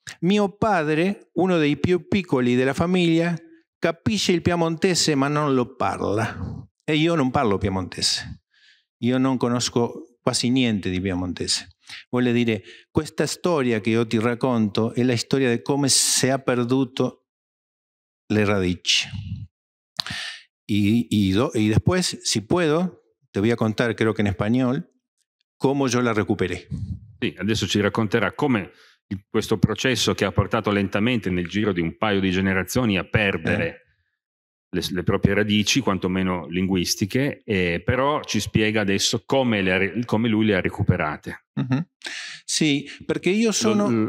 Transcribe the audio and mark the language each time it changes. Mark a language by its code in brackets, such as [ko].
[it] Mio padre, uno dei più piccoli della famiglia, capisce il piemontese ma non lo parla. E io non parlo piemontese. Io non conosco quasi niente di piemontese. Vuole dire, questa storia che io ti racconto è la storia di come si è perduto le radici. [es] E después, si puedo, te voy a contar, creo que en español, cómo yo la recuperé. [it] Sì, adesso ci racconterà come questo processo che ha portato lentamente nel giro di un paio di generazioni a perdere le proprie radici, quantomeno linguistiche, però ci spiega adesso come lui le ha recuperate. Uh-huh. Sì, perché io sono...